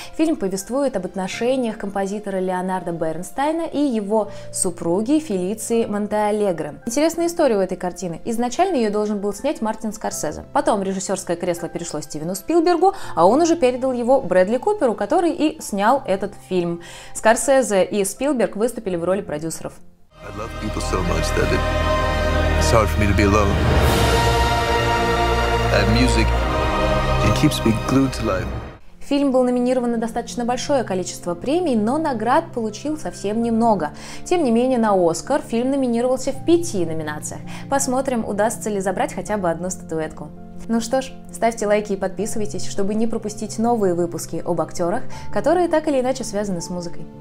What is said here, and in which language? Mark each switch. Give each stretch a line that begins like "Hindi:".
Russian: Фильм повествует об отношениях композитора Леонардо Бернстайна и его супруги Фелиции Монтеаллегро. Интересная история у этой картины. Изначально ее должен был снять Мартин Скорсезе. Потом режиссерское кресло перешло Стивену Спилбергу, а он уже передал его Брэдли Куперу, который и снял этот фильм. Скорсезе и Спилберг выступили в роли продюсеров.
English: I love people so much that it's hard for me to be alone. That music, it keeps me glued to life.
Russian: Фильм был номинирован на достаточно большое количество премий, но наград получил совсем немного. Тем не менее, на «Оскар» фильм номинировался в 5 номинациях. Посмотрим, удастся ли забрать хотя бы одну статуэтку. Ну что ж, ставьте лайки и подписывайтесь, чтобы не пропустить новые выпуски об актерах, которые так или иначе связаны с музыкой.